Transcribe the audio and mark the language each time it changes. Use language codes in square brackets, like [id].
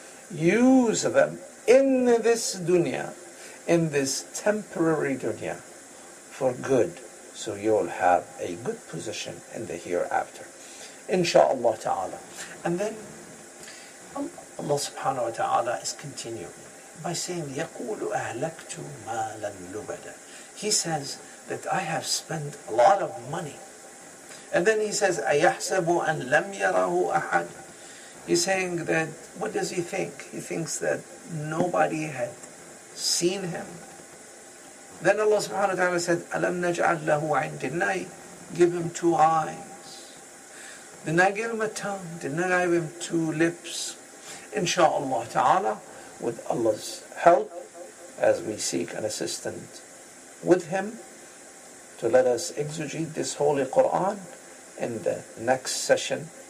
[en] Use them in this dunya, in this temporary dunya, for good, so you'll have a good position in the hereafter. Insha'Allah ta'ala. And then Allah subhanahu wa ta'ala is continuing by saying, [ar] يَقُولُ أَهْلَكْتُ مَا لَمْ لُبَدَ. [en] He says that I have spent a lot of money. And then he says, [ar] أَيَحْسَبُ أَنْ لَمْ يَرَهُ أَحَدٌ. [en] He's saying that, what does he think? He thinks that nobody had seen him. Then Allah subhanahu wa ta'ala said, [ar] أَلَمْ نَجْعَلْ لَهُ عَيْنٍ. [en] Didn't I give him two eyes? Didn't I give him a tongue? Didn't I give him two lips? Insha'Allah ta'ala, with Allah's help, as we seek an assistant with him, to let us exegete this Holy Quran in the next session.